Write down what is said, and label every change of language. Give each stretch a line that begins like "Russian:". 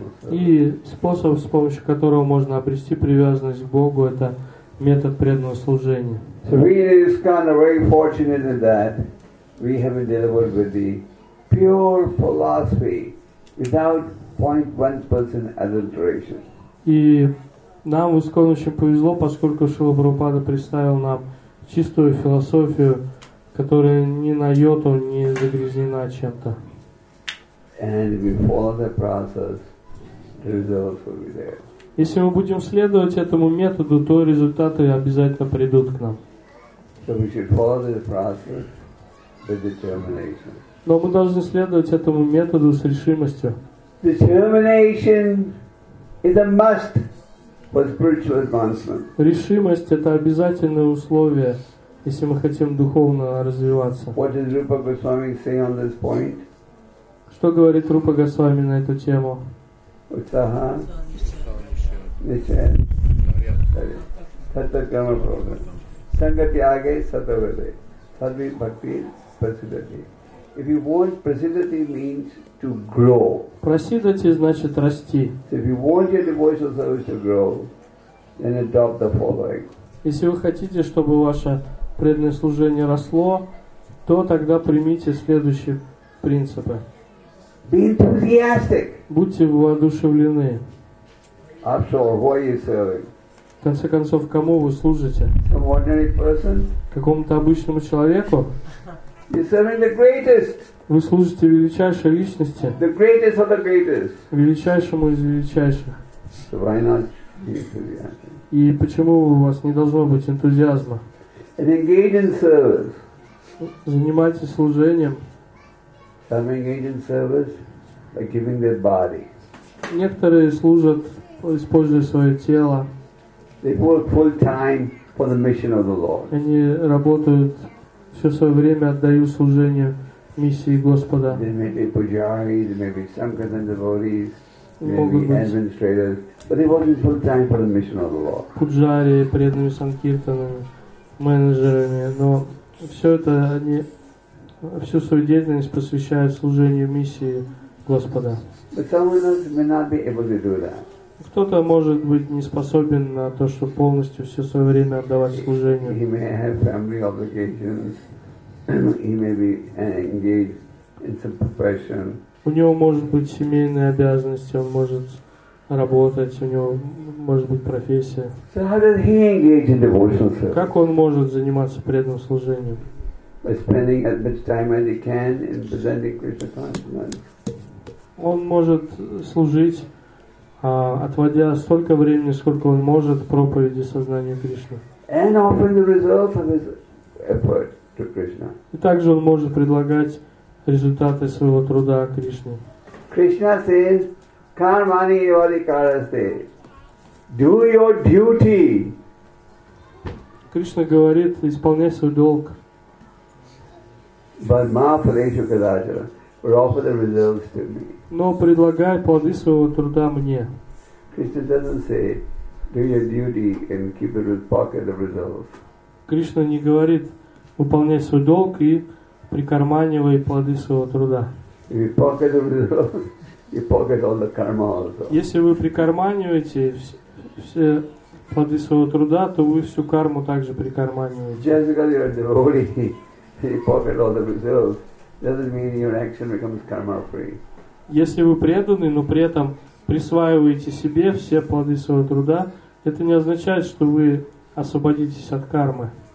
Russian: И способ, с помощью которого можно обрести привязанность к Богу, это метод преданного служения.
English: So we in ISKCON are very fortunate in that we have been delivered with the pure philosophy without 0.1% adulteration.
Russian: И нам в ISKCON очень повезло, поскольку Шрила Прабхупада представил нам чистую философию, которая ни на йоту не загрязнена чем-то.
English: And if we follow the process, the results will be there.
Russian: Если мы будем следовать этому методу, то результаты обязательно придут к нам.
English: So we should follow the process with determination.
Russian: Но мы должны следовать этому методу с решимостью.
English: Determination is a must for spiritual advancement.
Russian: Решимость – это обязательное условие, если мы хотим духовно развиваться.
English: What does Rupa Goswami say on this point?
Russian: Что говорит Рупа Госвами на эту тему?
Sanskrit: Утсаха. Ничай. Саттакама Прога. Сангати Аге Саттаваде. Садви Бхакти Прасидати.
English: If you want, Прасидати means to grow.
Russian: Прасидати значит расти.
English: If you want your devotional service to grow, then adopt the following.
Russian: Если вы хотите, чтобы ваше преданное служение росло, то тогда примите следующее принципы.
English: Be enthusiastic.
Russian: Будьте воодушевлены.
English: After all, who are you serving?
Russian: В конце концов, кому вы служите?
English: Some ordinary person?
Russian: Какому-то обычному человеку?
English: You're serving the greatest.
Russian: Вы служите величайшей личности.
English: The greatest of the greatest.
Russian: Величайшему из величайших.
English: So why not be enthusiastic?
Russian: И почему у вас не должно быть энтузиазма?
English: And engage in service.
Russian: Занимайтесь служением.
English: Some engage in service by giving their body.
Russian: Некоторые служат, используя свое тело.
English: They work full time for the mission of the Lord.
Russian: Они работают все свое время, отдаю служению миссии Господа.
English: They may be pujari, they may be sankirtan devotees, they may be administrators, but they work full time for the mission of the Lord.
Russian: Пуджари, преданные санкиртанами, менеджерами, но все это они всю свою деятельность посвящают служению миссии Господа. Кто-то может быть не способен на то, чтобы полностью все свое время отдавать служению.
English: He may have family obligations. He may be engaged in some profession.
Russian: У него может быть семейные обязанности, он может работать, у него может быть профессия.
English: So how does he engage in devotional service?
Russian: Как он может заниматься преданным служением?
English: By spending as much time as he can in presenting Krishna consciousness.
Russian: Он может служить, отводя столько времени, сколько он может, проповеди сознания Кришны.
English: And offering the results of his effort to Krishna.
Russian: И также он может предлагать результаты своего труда Кришне.
English: Krishna says,
Sanskrit: "Karmani yavadi karaste,
English: do your duty."
Russian: Кришна говорит, исполняй свой долг.
English: But
Sanskrit: ma phaleshu kadachara,
English: or offer the results to me.
Russian: Но предлагай плоды своего труда мне.
English: Krishna doesn't say, do your duty and keep it in pocket the results.
Russian: Кришна не говорит, выполняй свой долг и прикарманивай плоды своего труда.
English: If you pocket the results, you pocket all the karma also.
Russian: Если вы прикарманиваете все плоды своего труда, то вы всю карму также прикарманиваете.
English: Just because you're a devotee, you pocket all the results, doesn't mean your action becomes karma-free.
Russian: Если вы преданы, но при этом присваиваете себе все плоды своего труда, это не означает, что вы освободитесь от кармы.